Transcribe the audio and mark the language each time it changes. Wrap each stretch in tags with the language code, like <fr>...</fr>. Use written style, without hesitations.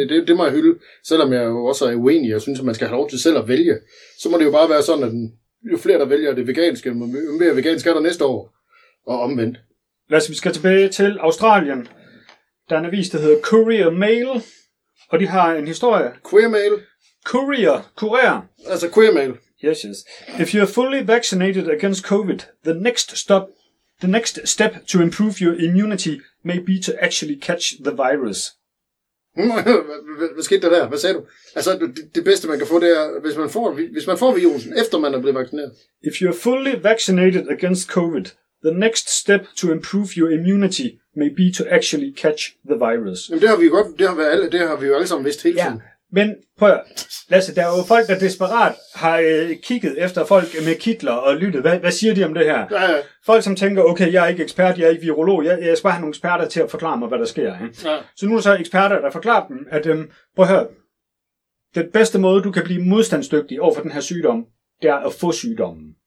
<da>Det må jeg hylde, selvom jeg jo også er uenig og synes, at man skal have lov til selv at vælge. Så må det jo bare være sådan, at jo flere, der vælger det veganske, jo mere vegansk er der næste år. Og omvendt. Lad os, vi skal tilbage til Australien. Der er en avis, der hedder Courier Mail, og de har en historie. Queer Mail? Courier. Altså Queer Mail.</da> <en>Yes. If you're fully vaccinated against COVID, the next step to improve your immunity may be to actually catch the virus.</en> <da>Hvad skete der? Hvad sagde du? Altså, det bedste, man kan få, det er, hvis man får virusen, efter man er blevet vaccineret.</da> <en>If you're fully vaccinated against COVID, the next step to improve your immunity may be to actually catch the virus.</en> <da>Jamen, det har vi jo alle sammen vidst hele tiden. Men prøv at høre, Lasse, der er jo folk, der desperat har kigget efter folk med kitler og lyttet. Hvad siger de om det her? Ja. Folk, som tænker, okay, jeg er ikke ekspert, jeg er ikke virolog, jeg skal bare have nogle eksperter til at forklare mig, hvad der sker. Ja. Så nu er så eksperter, der forklarer dem, at prøv at høre, den bedste måde, du kan blive modstandsdygtig over for den her sygdom, det er at få sygdommen.</da>